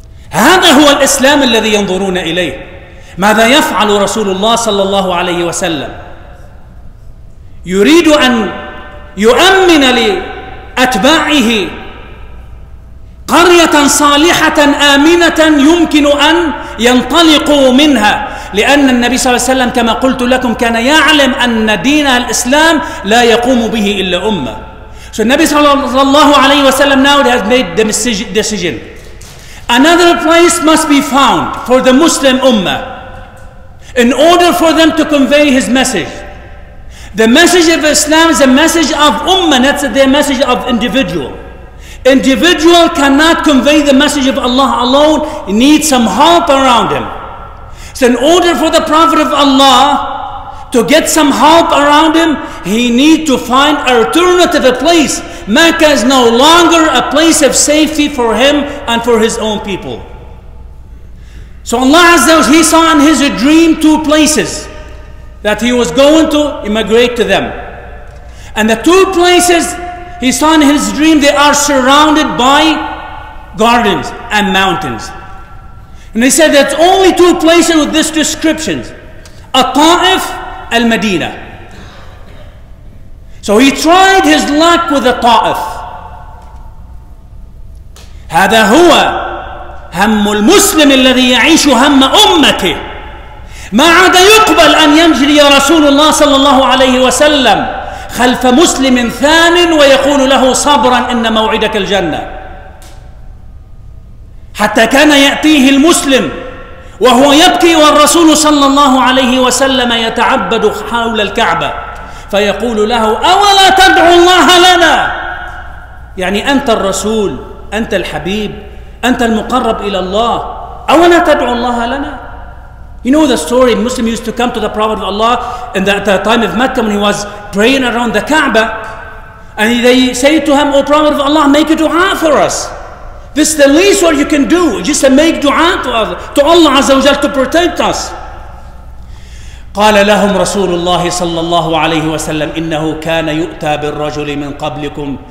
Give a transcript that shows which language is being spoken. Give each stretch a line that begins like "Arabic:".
Arabic: هذا هو الإسلام الذي ينظرون إليه. ماذا يفعل رسول الله صلى الله عليه وسلم؟ يريد أن يؤمن لأتباعه قرية صالحة آمنة يمكن أن ينطلقوا منها، لأن النبي صلى الله عليه وسلم كما قلت لكم كان يعلم أن دين الإسلام لا يقوم به إلا أمة. فالنبي صلى الله عليه وسلم
English: now has made the decision. Another place must be found for the Muslim Ummah in order for them to convey his message. The message of Islam is a message of Ummah, not the message of individual. Individual cannot convey the message of Allah alone. He needs some help around him. So in order for the Prophet of Allah to get some help around him, he needs to find alternative a place. Mecca is no longer a place of safety for him and for his own people. So Allah Azza wa Jalla, he saw in his dream two places that he was going to immigrate to them. And the two places he saw in his dream, they are surrounded by gardens and mountains. And he said that's only two places with this description: At-Ta'if, Al-Madinah. So he tried his luck with At-Ta'if.
Arabic: هذا هو هم المسلم الذي يعيش هم أمته. ما عاد يقبل أن يمجري رسول الله صلى الله عليه وسلم خلف مسلم ثان ويقول له صبرا إن موعدك الجنة، حتى كان يأتيه المسلم وهو يبكي والرسول صلى الله عليه وسلم يتعبد حول الكعبة فيقول له أولا تدعو الله لنا، يعني أنت الرسول، أنت الحبيب، أنت المقرب إلى الله، أولا تدعو الله لنا.
English: You know the story, Muslim used to come to the Prophet of Allah in the, at the time of Mecca when he was praying around the Kaaba, and they say to him, O Prophet of Allah, make a dua for us. This is the least what you can do, just to make dua to Allah Azza wa Jalla to protect us.
Arabic: قال لهم رسول الله صلى الله عليه وسلم إنه كان يؤتى بالرجل من قبلكم